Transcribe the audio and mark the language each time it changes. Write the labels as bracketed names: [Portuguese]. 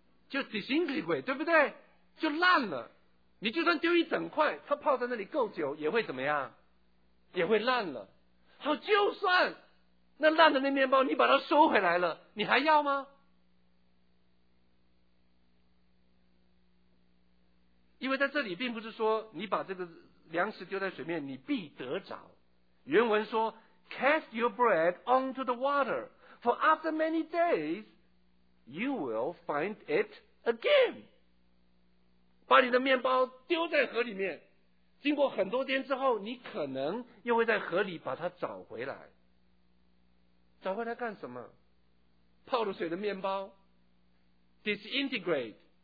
[Chinese] 就 disintegrate， 对不对？就烂了。你就算丢一整块，它泡在那里够久，也会怎么样？也会烂了。好，就算那烂的那面包你把它收回来了，你还要吗？因为在这里并不是说你把这个粮食丢在水面你必得着。原文说 [English] cast your bread onto the water for after many days you will find it again。 [Chinese] 把你的面包丢在河里面，经过很多天之后，你可能又会在河里把它找回来。找回来干什么？泡了水的面包 disintegrate。